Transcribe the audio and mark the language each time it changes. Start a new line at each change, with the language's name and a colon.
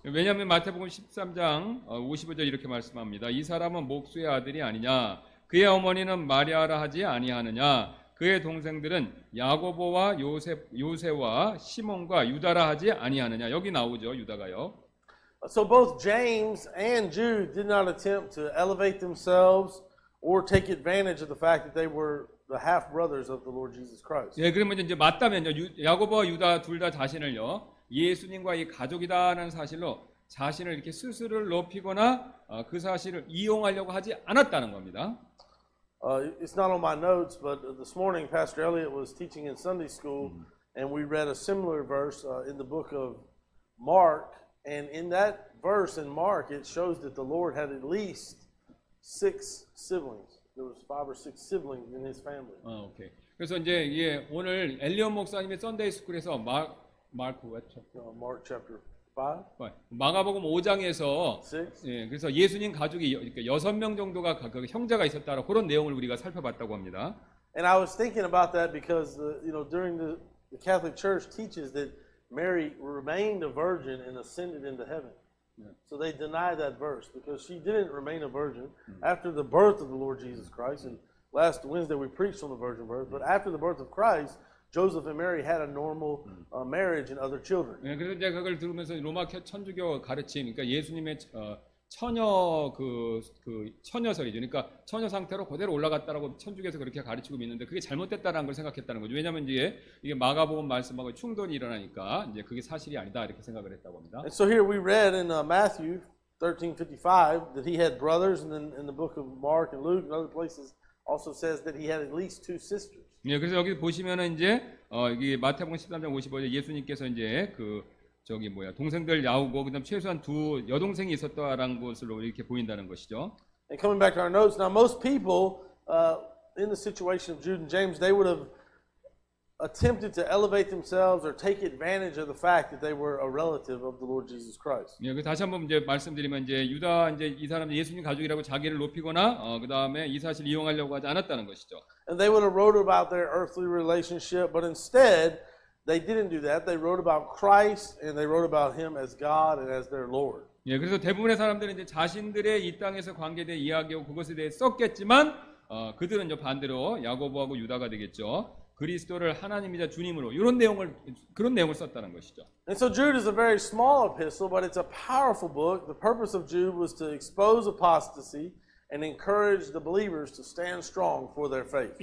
Korean: 왜냐하면 마태복음 13장 55절 이렇게 말씀합니다. 이 사람은 목수의 아들이 아니냐? 그의 어머니는 마리아라 하지 아니하느냐? 그의 동생들은 야고보와 요세와 시몬과 유다라 하지 아니하느냐? 여기 나오죠, 유다가요.
English: So both James and Jude did not attempt to elevate themselves or take advantage of the fact that they were the half brothers of the Lord Jesus Christ.
Korean: 예, 그러면 이제 맞다면요, 야고보와 유다 둘 다 자신을요 예수님과 이 가족이다라는 사실로 자신을 이렇게 스스로를 높이거나 그 사실을 이용하려고 하지 않았다는 겁니다.
English: It's not on my notes, but this morning Pastor Elliot was teaching in Sunday school, and we read a similar verse in the book of Mark. And in that verse in Mark, it shows that the Lord had at least six siblings. There was five or six siblings in his family.
Korean: 어, 오케이. 그래서 이제 예, 오늘 엘리엇 목사님의 Sunday school에서
English: Mark chapter 5.
Korean: 마가복음 5장에서 예, 그래서 예수님 가족이 6명 정도가 그 형제가 있었다라고 그런 내용을 우리가 살펴봤다고 합니다.
English: And I was thinking about that because you know during the Catholic Church teaches that Mary remained a virgin and ascended into heaven. So they deny that verse because she didn't remain a virgin after the birth of the Lord Jesus Christ. And last Wednesday we preached on the virgin birth, but after the birth of Christ, Joseph and Mary had a normal marriage and other children.
Korean: 네, 그래서 제가 그걸 들으면서 로마 천주교 가르침, 그러니까 예수님의 처녀설이죠. 그러니까 처녀 상태로 그대로 올라갔다라고 천주교에서 그렇게 가르치고 믿는데 그게 잘못됐다라는 걸 생각했다는 거죠. 왜냐하면 이게 마가복음 말씀하고 충돌이 일어나니까 이제 그게 사실이 아니다 이렇게 생각을 했다고 합니다.
English: And so here we read in Matthew 13:55 that he had brothers, and then in the book of Mark and Luke and other places also says that he had at least two sisters.
Korean: 예, 그래서 여기 보시면은 이제 이게 마태복음 13장 55절 예수님께서 이제 그 저기 뭐야 동생들 야고보 그다음 최소한 두 여동생이 있었다라는 것으로 이렇게 보인다는 것이죠.
English: And coming back to our notes, now most people in the situation of Jude and James, they would have attempted to elevate themselves or take advantage of the fact that they were a relative of the Lord Jesus Christ.
Korean: 예, 그 다시 한번 이제 말씀드리면 이제 유다 이제 이 사람 예수님 가족이라고 자기를 높이거나 그다음에 이 사실 이용하려고 하지 않았다는 것이죠.
English: And they would have wrote about their earthly relationship, but instead they didn't do that. They wrote about Christ and they wrote about him as God and as their Lord.
Korean: 예, 그래서 대부분의 사람들은 이제 자신들의 이 땅에서 관계에 대해 이야기하고 그것에 대해 썼겠지만 그들은 이제 반대로 야고보하고 유다가 되겠죠. 그리스도를 하나님이자 주님으로 이런 내용을 그런 내용을 썼다는 것이죠.
English: And so Jude is a very small epistle, but it's a powerful book. The purpose of Jude was to expose apostasy and encourage the believers to stand strong for their faith.